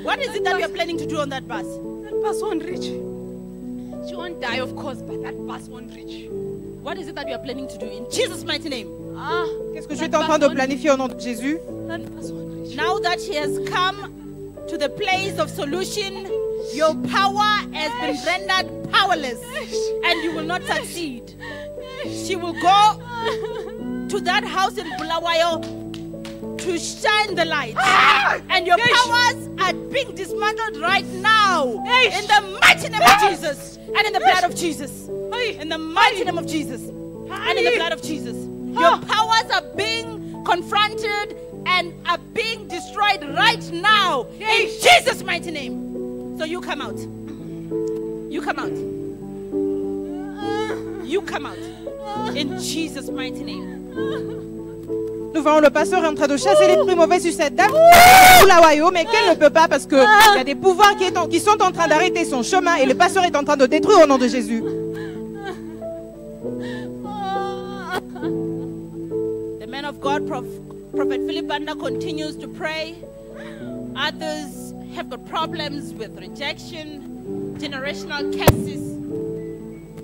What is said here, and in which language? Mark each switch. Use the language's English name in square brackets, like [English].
[English] What is it that you're planning to do on that bus? That bus won't reach. She won't die, of course, but that bus won't reach. What is it that you are planning to do in Jesus' mighty name? Ah, [French] qu'est-ce que je suis en train de planifier au nom de Jésus? [English] That bus won't reach. Now that she has come to the place of solution, your power has been rendered powerless and you will not succeed. She will go to that house in Bulawayo to shine the light. And your powers are being dismantled right now in the mighty name of Jesus and in the blood of Jesus. In the mighty name of Jesus and in the blood of Jesus. Your powers are being confronted and are being destroyed right now in Jesus' mighty name. So you come out. You come out. You come out. In Jesus' mighty name. [French] Nous voyons le pasteur en train de chasser les prix mauvais sur cette dame de Bulawayo, mais qu'elle ne peut pas parce qu'il y a des pouvoirs qui sont en train d'arrêter son chemin et le pasteur est en train de détruire au nom de Jésus. [English] The man of God, Prophet Philip Banda, continues to pray. Others have got problems with rejection, generational curses.